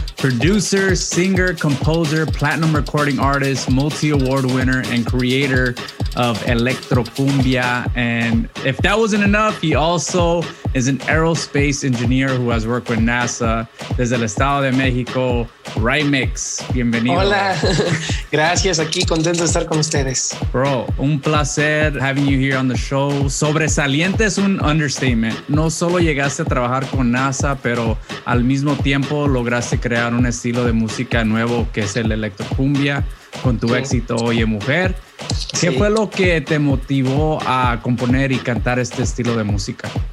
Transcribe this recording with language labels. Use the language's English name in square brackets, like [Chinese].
[English] Producer, singer, composer, platinum recording artist, multi-award winner, and creator of Electro Cumbia. And if that wasn't enough, he also is an aerospace engineer who has worked with NASA. [Spanish] Desde el Estado de México, Rymix, bienvenido. Hola, gracias, aquí contento de estar con ustedes. [English] Bro, [Spanish] un placer [English] having you here on the show. [Spanish] Sobresaliente es un understatement. No solo llegaste a trabajar con NASA, pero al mismo tiempo lograste crear un estilo de música nuevo que es el electrocumbia con tu sí. éxito Oye Mujer. ¿Qué sí. fue lo que te motivó a componer y cantar este estilo de música?